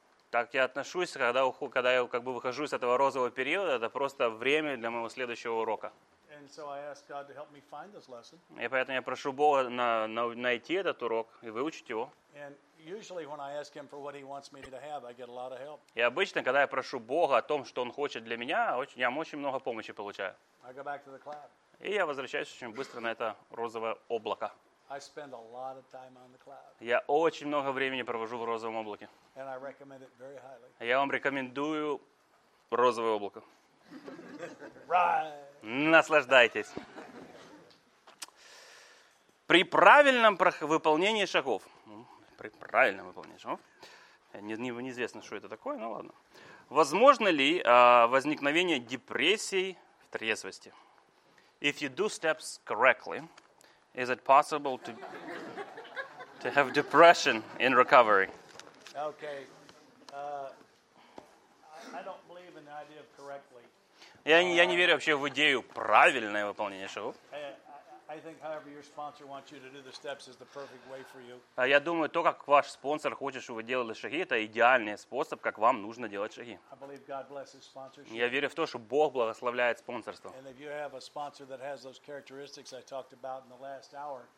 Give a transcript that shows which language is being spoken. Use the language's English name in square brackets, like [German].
[Russian] Так я отношусь, когда я как бы выхожу из этого розового периода, это просто время для моего следующего урока. [English] And so I ask God to help me find this lesson. [Russian] И поэтому я прошу Бога найти этот урок и выучить его. [English] And usually when I ask him for what he wants me to have, I get a lot of help. [Russian] И обычно, когда я прошу Бога о том, что он хочет для меня, я очень много помощи получаю. [English] I go back to the cloud. [Russian] И я возвращаюсь очень быстро на это розовое облако. [English] I spend a lot of time on the cloud. [Russian] Я очень много времени провожу в розовом облаке. [English] And I recommend it very highly. [Russian] Я вам рекомендую розовое облако. [English] Right. [Russian] Наслаждайтесь. При правильном выполнении шагов. При правильном выполнении шагов. Неизвестно, что это такое, но ладно. Возможно ли возникновение депрессии в трезвости? [English] If you do steps correctly, is it possible to have depression in recovery? Okay. I don't believe in the idea of correctly. [Russian] Я не верю вообще в идею правильное выполнение шагов. [English] I think however your sponsor wants you to do the steps is the perfect way for you. [Russian] Я думаю, то, как ваш спонсор хочет, чтобы вы делали шаги, это идеальный способ, как вам нужно делать шаги. [English] I believe God blesses sponsorship. [Russian] Я верю в то, что Бог благословляет спонсорство. [English] And if you have a sponsor that has those characteristics I talked about in the last hour.